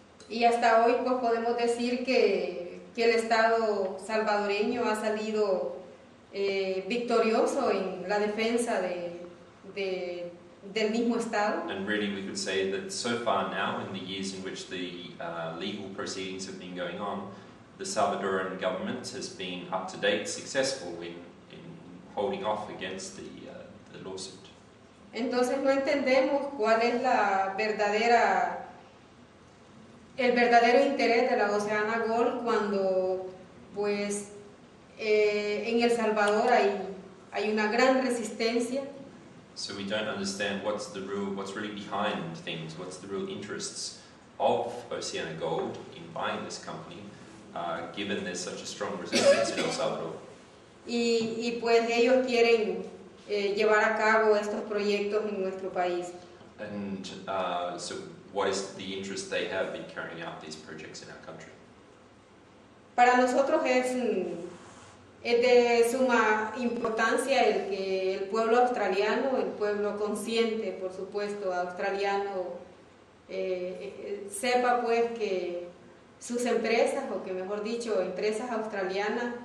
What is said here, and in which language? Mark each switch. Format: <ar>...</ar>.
<es>Y hasta hoy pues podemos decir que el Estado salvadoreño ha salido victorioso en la defensa de del mismo estado.</es> <en>And really we could say that so far now, in the years in which the legal proceedings have been going on, the Salvadoran government has been up to date successful in holding off against the lawsuit.</en> <es>Entonces no entendemos cuál es la verdadera el verdadero interés de la Oceana Gold cuando pues en El Salvador hay una gran resistencia.</es> <en>So we don't understand what's the real, what's really behind things, what's the real interests of Oceana Gold in buying this company, given there's such a strong resistance in El Salvador.</en> <es>Y pues ellos quieren llevar a cabo estos proyectos en nuestro país.</es> <en>And so what is the interest they have in carrying out these projects in our country?</en> <es>Para nosotros es de suma importancia el que el pueblo australiano, el pueblo consciente, por supuesto, australiano, sepa pues que sus empresas, o que mejor dicho, empresas australianas.</es>